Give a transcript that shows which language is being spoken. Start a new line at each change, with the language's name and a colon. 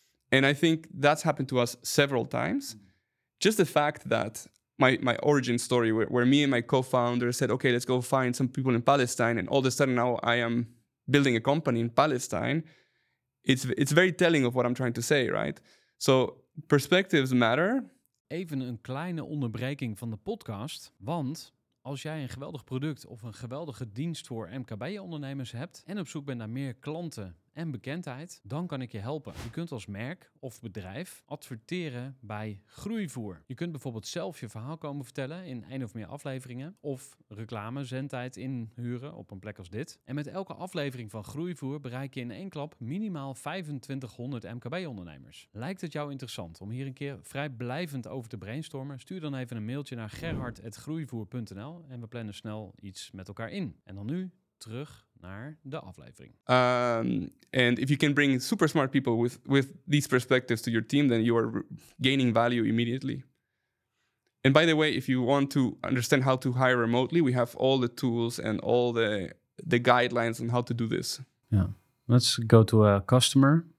English: And I think that's happened to us several times. Just the fact that my origin story where me and my co-founder said, okay, let's go find some people in Palestine. And all of a sudden now I am building a company in Palestine, it's very telling of what I'm trying to say, right? So perspectives matter.
Dutch: Even een kleine onderbreking van de podcast, want als jij een geweldig product of een geweldige dienst voor MKB-ondernemers hebt en op zoek bent naar meer klanten en bekendheid, dan kan ik je helpen. Je kunt als merk of bedrijf adverteren bij Groeivoer. Je kunt bijvoorbeeld zelf je verhaal komen vertellen in één of meer afleveringen of reclame zendtijd inhuren op een plek als dit. En met elke aflevering van Groeivoer bereik je in één klap minimaal 2500 MKB-ondernemers. Lijkt het jou interessant om hier een keer vrijblijvend over te brainstormen? Stuur dan even een mailtje naar gerhard@groeivoer.nl en we plannen snel iets met elkaar in. En dan nu terug naar de aflevering.
English: And if you can bring super smart people with these perspectives to your team, then you are gaining value immediately. And by the way, if you want to understand how to hire remotely, we have all the tools and all the guidelines on how to do this. Yeah. Let's go to a customer.